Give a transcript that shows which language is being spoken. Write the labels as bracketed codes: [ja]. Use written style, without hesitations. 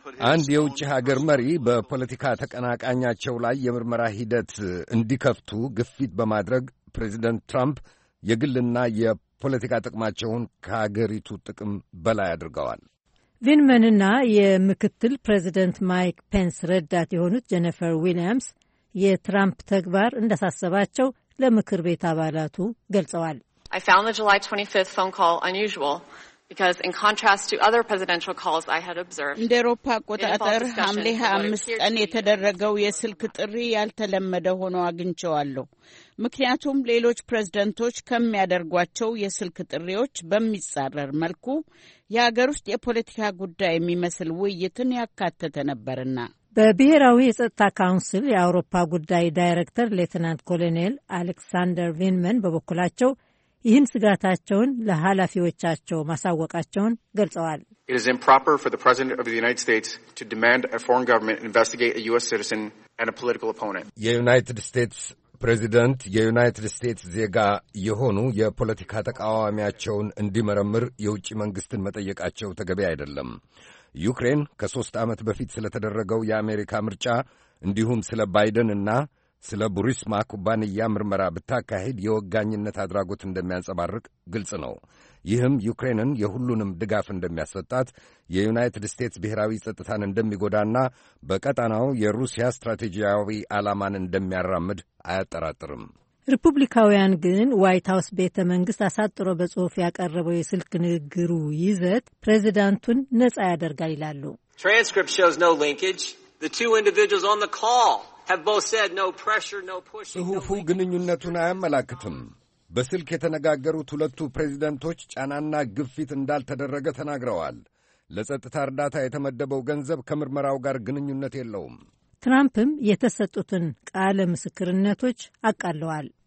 [am] አንድ የውጭ ሀገር መሪ በፖለቲካ ተቀናቃኛቸው ላይ የምርመራ ሂደት እንዲከፍቱ ግፊት በማድረግ ፕሬዚደንት ትራምፕ የግልና የፖለቲካ ጥቅማቸውን ከአገሪቱ ጥቅም በላይ አድርገዋል። ቪንመንና የምክትል ፕሬዚደንት ማይክ ፔንስ ረዳት የሆኑት ጀነፈር ዊሊያምስ የትራምፕ ተግባር እንዳሳሰባቸው ለምክር ቤት አባላቱ ገልጸዋል። [en] I found the July 25th phone call unusual because in contrast to other presidential calls I had observed. [am] እንደ አውሮፓ አቆጣጠር ሐምሌ 25 ቀን የተደረገው የስልክ ጥሪ ያልተለመደ ሆኖ አግኝቻለሁ። ምክንያቱም ሌሎች ፕሬዝዳንቶች ከሚያደርጓቸው የስልክ ጥሪዎች በሚጻረር መልኩ የሀገር ውስጥ የፖለቲካ ጉዳይ የሚመስል ውይይትን ያካተተ ነበርና። በብሔራዊ የጸጥታ ካውንስል የአውሮፓ ጉዳይ ዳይሬክተር ሌተናንት ኮሎኔል አሌክሳንደር ቪንመን በበኩላቸው ይህን ስጋታቸውን ለሐላፊዎቻቸው ማሳወቃቸውን ገልጸዋል። [en] It is improper for the President of the United States to demand a foreign government investigate a US citizen and a political opponent. [am] የዩናይትድ ስቴትስ ፕሬዚደንት የዩናይትድ ስቴትስ ዜጋ የሆኑ የፖለቲካ ተቃዋሚያቸውን እንዲመረምር የውጭ መንግስትን መጠየቃቸው ተገቢ አይደለም። ዩክሬን ከሶስት ዓመት በፊት ስለተደረገው የአሜሪካ ምርጫ እንዲሁም ስለ ባይደን እና ስለ ቡሪስማ ኩባንያ ምርመራ ብታካሄድ የወጋኝነት አድራጎት እንደሚያንጸባርቅ ግልጽ ነው። ይህም ዩክሬንን የሁሉንም ድጋፍ እንደሚያሰጣት፣ የዩናይትድ ስቴትስ ብሔራዊ ጸጥታን እንደሚጎዳና በቀጣናው የሩሲያ ስትራቴጂያዊ ዓላማን እንደሚያራምድ አያጠራጥርም። ሪፑብሊካውያን ግን ዋይት ሃውስ ቤተ መንግስት አሳጥሮ በጽሑፍ ያቀረበው የስልክ ንግግሩ ይዘት ፕሬዚዳንቱን ነጻ ያደርጋል ይላሉ። [en] Transcript shows no linkage. The two individuals on the call have both said no pressure, no pushing. [am] ጽሑፉ ግንኙነቱን አያመላክትም። በስልክ የተነጋገሩት ሁለቱ ፕሬዚዳንቶች ጫናና ግፊት እንዳልተደረገ ተናግረዋል። ለጸጥታ እርዳታ የተመደበው ገንዘብ ከምርመራው ጋር ግንኙነት የለውም። ትራምፕም የተሰጡትን ቃለ ምስክርነቶች አቃለዋል።